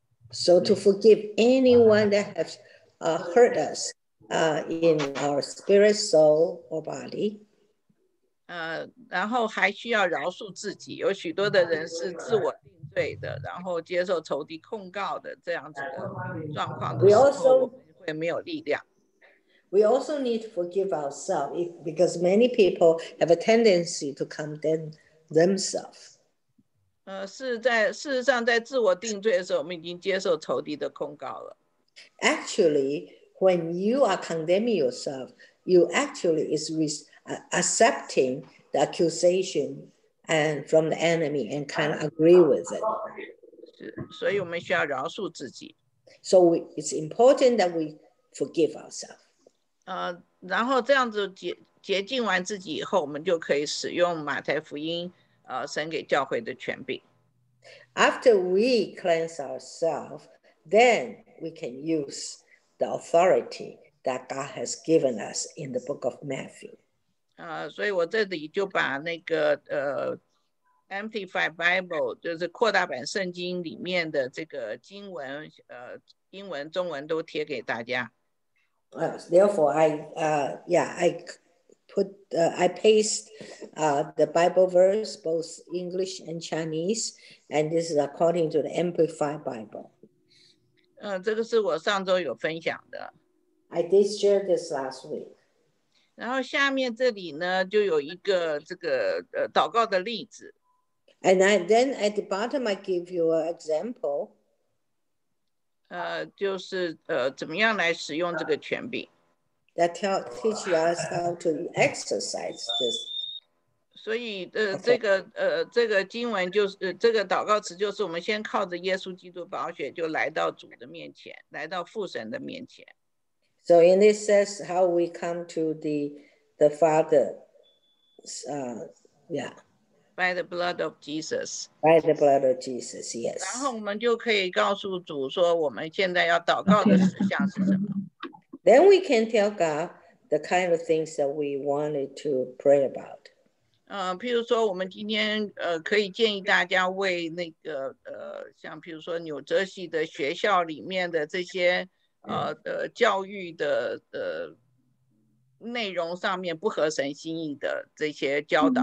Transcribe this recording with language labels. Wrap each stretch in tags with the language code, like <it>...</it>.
<en>So to forgive anyone that has hurt us in our spirit, soul, or body.</en> <zh>然后还需要饶恕自己。有许多的人是自我定罪的，然后接受仇敌控告的这样子的状况的时候，我们会没有力量。</zh> <en>We also need to forgive ourselves because many people have a tendency to condemn themselves.</en> <zh>事实上在自我定罪的时候，我们已经接受仇敌的控告了。</zh> <en>Actually, when you are condemning yourself, you actually is accepting the accusation and from the enemy and kind of agree with it.</en> <zh>所以我们需要饶恕自己。</zh> <en>So it's important that we forgive ourselves.</en> <zh>然后这样子洁净完自己以后，我们就可以使用马太福音神给教会的权柄。</zh> <en>After we cleanse ourselves, then we can use the authority that God has given us in the book of Matthew.</en> <zh>所以我这里就把那个Amplified Bible 就是扩大版圣经里面的这个经文，英文、中文都贴给大家。</zh> <en>Therefore, I paste the Bible verse both English and Chinese, and this is according to the Amplified Bible.</en> <zh>这个是我上周有分享的。</zh> <en>I did share this last week.</en> <zh>然后下面这里呢，就有一个这个祷告的例子。</zh> <en>And then at the bottom, I give you an example.</en> <zh>就是怎么样来使用这个权柄。</zh> <en>That teach us how to exercise this.</en> <zh>所以这个这个经文就是这个祷告词，就是我们先靠着耶稣基督宝血就来到主的面前，来到父神的面前。</zh> <en>So in this says how we come to the Father. Yeah. By the blood of Jesus. By the blood of Jesus, yes.</en> <zh>然后我们就可以告诉主说我们现在要祷告的事项是什么。</zh> <en>Then we can tell God the kind of things that we wanted to pray about.</en> <zh>譬如说我们今天可以建议大家为那个像譬如说纽泽西的学校里面的这些教育的内容上面不合神心意的这些教导。</zh>